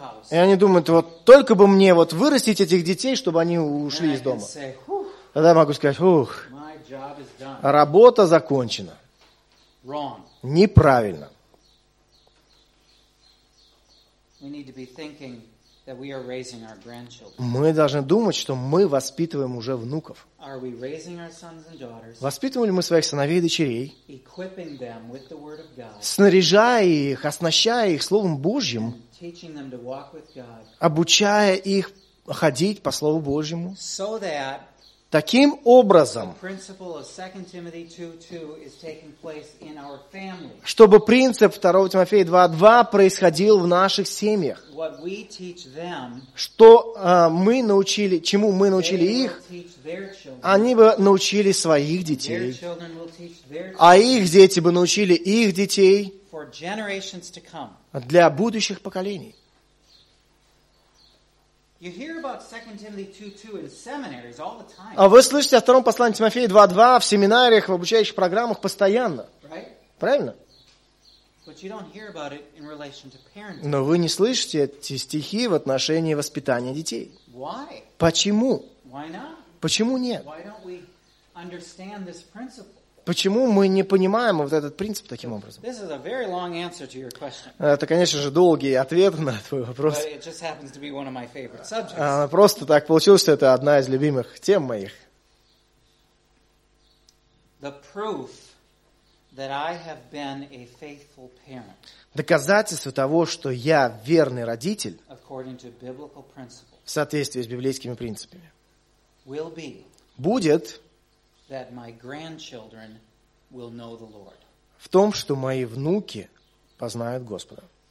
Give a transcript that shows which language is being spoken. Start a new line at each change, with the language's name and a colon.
Russian: И они думают, вот только бы мне вот вырастить этих детей, чтобы они ушли из дома. Тогда я могу сказать, ух, работа закончена.
English: Wrong.
Russian: Неправильно.
English: We need to be thinking that we are raising our grandchildren.
Russian: Мы должны думать, что мы воспитываем уже внуков.
English: Are we raising our sons and daughters?
Russian: Воспитываем ли мы своих сыновей и дочерей?
English: Equipping them with the word of God.
Russian: Снаряжая их, оснащая их Словом Божьим.
English: And teaching them to walk with God.
Russian: Обучая их ходить по Слову Божьему.
English: So that
Russian: таким образом,
English: the principle of 2 Timothy 2:2 is taking place in our family.
Russian: Чтобы принцип 2 Тимофея 2:2 происходил в наших семьях.
English: What we teach them,
Russian: что мы научили, чему мы научили их, они бы научили своих детей, а их дети бы научили их детей
English: for generations to come.
Russian: Для будущих поколений.
English: You hear about 2 Timothy 2:2 in seminaries all the time.
Russian: А вы слышите о втором послании Тимофея 2:2 в семинариях, в обучающих программах постоянно.
English: Right?
Russian: Правильно?
English: But you don't hear about it in relation to parenting.
Russian: Но вы не слышите эти стихи в отношении воспитания детей.
English: Why?
Russian: Почему?
English: Why not?
Russian: Почему нет?
English: Why don't we understand this principle?
Russian: Почему мы не понимаем вот этот принцип таким образом?
English: This is a very long answer to your question.
Russian: Это, конечно же, долгий ответ на твой вопрос.
English: But it just happens to be one of my favorite subjects.
Russian: Просто так получилось, что это одна из любимых тем моих.
English: The proof that I have been a faithful parent.
Russian: Доказательство того, что я верный родитель,
English: according to biblical principles,
Russian: в соответствии с библейскими принципами,
English: will be
Russian: будет
English: that my grandchildren will know the Lord.
Russian: В том, что мои внуки познают Господа.